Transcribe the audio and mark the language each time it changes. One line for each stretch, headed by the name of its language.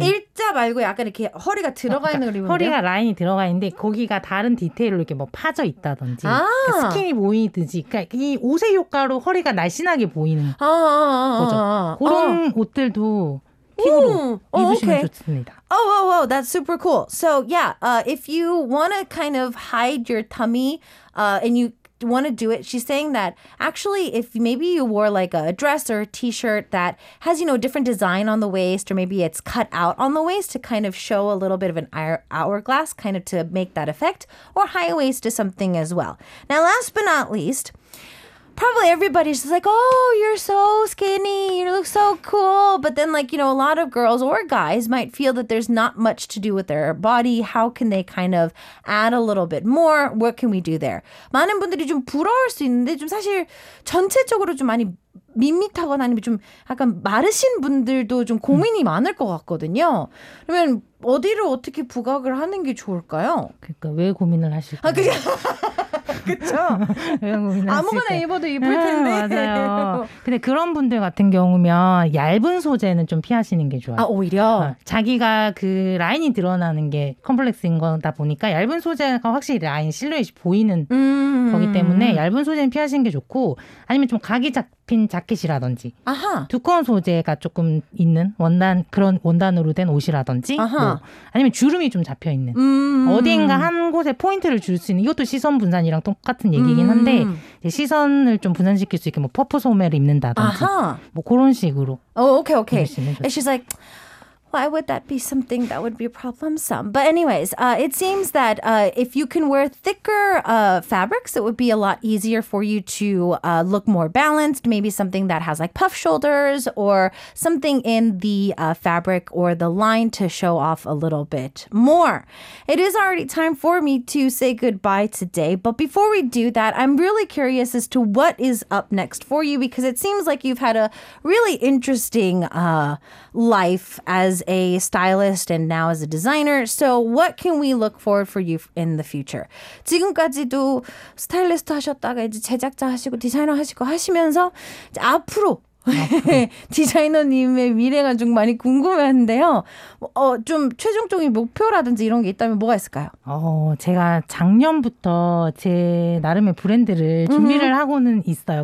Korean: 일자 말고 약간 이렇게 허리가 들어가 그러니까 있는 걸 입으면 허리가 라인이 들어가 있는데 거기가 다른 디테일로 이렇게 뭐 파져 있다든지 아~ 그러니까 스킨이 보이듯이 그러니까 이 옷의 효과로 허리가 날씬하게 보이는 아~ 거죠. 그런 옷들도 팁으로 입으시면 좋습니다.
English: Oh, whoa, whoa, that's super cool. So, yeah, if you want to kind of hide your tummy and you want to do it, she's saying that actually if maybe you wore like a dress or a t-shirt that has, you know, a different design on the waist or maybe it's cut out on the waist to kind of show a little bit of an hourglass kind of to make that effect or high waist is something as well. Now, last but not least, probably everybody's just like, oh, you're so skinny. You look so cool. But then, like, you know, a lot of girls or guys might feel that there's not much to do with their body. How can they kind of add a little bit more? What can we do there?
Korean: 많은 분들이 좀 부러울 수 있는데 좀 사실 전체적으로 좀 많이 밋밋하거나 아니면 좀 약간 마르신 분들도 좀 고민이 많을 것 같거든요. 그러면 어디를 어떻게 부각을 하는 게 좋을까요? 그러니까 왜 고민을 하실까요? 아, 그냥... 그렇죠. 아무거나 입어도 입을 텐데. 네, 맞아요. 근데 그런 분들 같은 경우면 얇은 소재는 좀 피하시는 게 좋아요. 아, 오히려? 자기가 그 라인이 드러나는 게 컴플렉스인 거다 보니까 얇은 소재가 확실히 라인 실루엣이 보이는 거기 때문에 얇은 소재는 피하시는 게 좋고 아니면 좀 각이 잡힌 자켓이라든지 아하. 두꺼운 소재가 조금 있는 원단 그런 원단으로 된 옷이라든지 아하. 뭐, 아니면 주름이 좀 잡혀 있는 어딘가 한 곳에 포인트를 줄 수 있는 이것도 시선 분산이랑 똑같은 얘기긴 한데 시선을 좀 분산시킬 수 있게 뭐 퍼프 소매를 입는다든지 아하. 뭐 그런 식으로
English: 오케이 오케이 And she's like Why would that be something that would be problemsome? But anyways, it seems that if you can wear thicker fabrics, it would be a lot easier for you to look more balanced. Maybe something that has like puff shoulders or something in the fabric or the line to show off a little bit more. It is already time for me to say goodbye today. But before we do that, I'm really curious as to what is up next for you because it seems like you've had a really interesting life as a stylist and now as a designer. So what can we look forward for you in the future?
Korean: 지금까지도 스타일리스트 하셨다가 이제 제작자 하시고 디자이너 하시고 하시면서 이제 앞으로 디자이너님의 미래가 좀 많이 궁금한데요. 좀 최종적인 목표라든지 이런 게 있다면 뭐가 있을까요? 제가 작년부터 제 나름의 브랜드를 준비를 하고는 있어요.